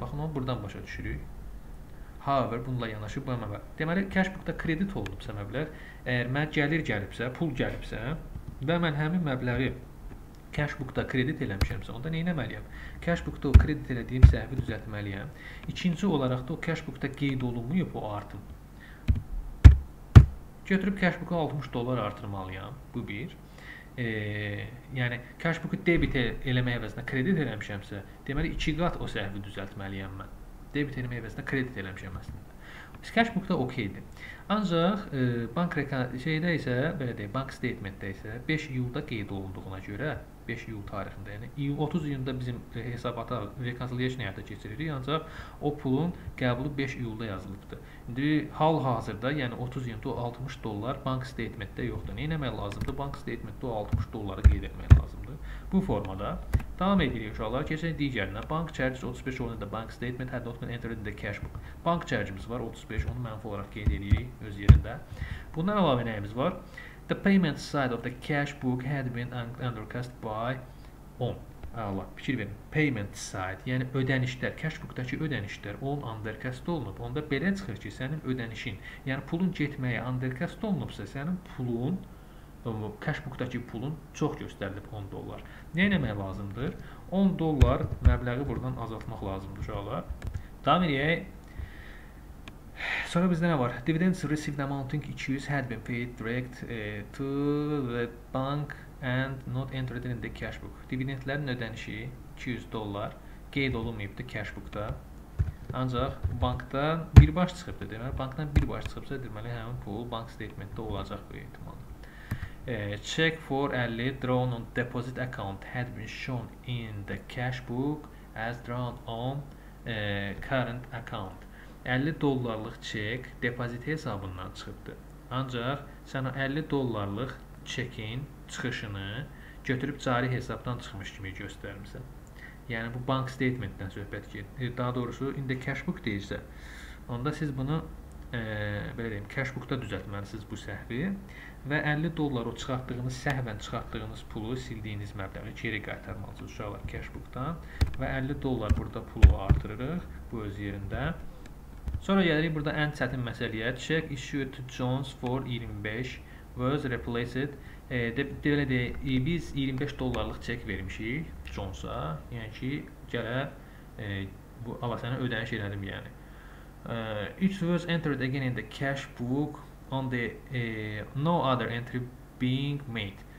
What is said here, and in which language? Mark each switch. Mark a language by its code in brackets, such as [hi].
[az] Baxın, onu buradan başa düşürük. However, bununla yanaşı bu əməbə. Deməli, cashbookda kredit olunubsa məbləğ, əgər mən gəlir gəlibsə, pul gəlibsə və mən həmin məbləği cashbookda kredit eləmişəmsə, onda nə etməliyəm? Cashbookda o kredit elədiyim səhvi düzəltməliyəm. İkinci olaraq da o cashbookda qeyd olunmayıb o artım. Götürüb cashbooka 60 dollar artırmalıyam, bu bir. Yəni, cashbooku debit eləmək əvəzində kredit eləmişəmsə, deməli, iki qat o səhvi düzəltməliyəm mən. Debit eləmək əvəzində kredit eləmişəm əslində. Cashbookda okeydir. Ancaq bank şeydə isə, belə deyək, bank statementdə isə 5 iyulda qeyd olunduğuna görə, 5 iyul tarixində, yəni 30 iyunda bizim hesabata reconciliation həyata keçiririk, ancaq o pulun qəbulu 5 iyulda yazılıbdır. İndi hal-hazırda, yəni 30 iyunda o 60 dollar bank statementdə yoxdur. Nə etmək lazımdır? Bank statementdə o 60 dolları qeyd etmək lazımdır. Bu formada. Davam edirik uşaqlar. Keçən digərinə. [en] Bank charges 35 [az] olunca da [en] bank statement had not been entered in the cash book. [az] Bank charge'imiz var 35. Onu mənfi olaraq qeyd edirik öz yerində. Bundan əlavə nəyimiz var? [en] The payment side of the cash book had been undercast by 10. [az] Allah, fikir verin. Payment side, yəni ödənişlər, cashbookdakı ödənişlər 10 undercast olunub. Onda belə çıxır ki, sənin ödənişin, yəni pulun getməyə undercast olunubsa, sənin pulun cashbookdakı pulun çox göstərilib 10 dollar. Nə etmək lazımdır? 10 dollar məbləği buradan azaltmaq lazımdır uşaqlar. Davam edək. Sonra bizdə nə var? [en] Dividends received amounting 200 had been paid direct to the bank And not entered in the cash book. [az] Dividendlərin ödənişi 200 dollar qeyd olunmayıbdı cash bookda. Ancaq bankda bir baş çıxıbdı. Deməli bankdan bir baş çıxıbsa deməli həmin pul bank statementdə olacaq bu ehtimal. [en] Check for 50 drawn on deposit account had been shown in the cash book as drawn on current account. [az] 50 dollarlıq çek depozit hesabından çıxıbdı. Ancaq sən 50 dollarlıq çekin çıxışını götürüb cari hesabdan çıxmış kimi göstərmisən. Yəni bu bank statementdən söhbət gedir. Daha doğrusu [en] in the cash book [az] deyilsə, onda siz bunu belə deyim, cash book-da düzəltməlisiniz bu səhvi və 50 dollar o çıxartdığınız səhvən çıxartdığınız pulu sildiyiniz məbləği geri qaytarmalısınız uşaqlar cash book-dan və 50 dollar burada pulu artırırıq bu öz yerində. Sonra gəlirik burada ən çətin məsələyə. [en] Check issued to Jones for 25 was replaced. [az] Belə deyək, biz 25 dollarlıq çek vermişik Jones'a. Yəni ki, gələ bu alasənə ödəniş elədim yəni. [en] It was entered again in the cash book on the no other entry being made.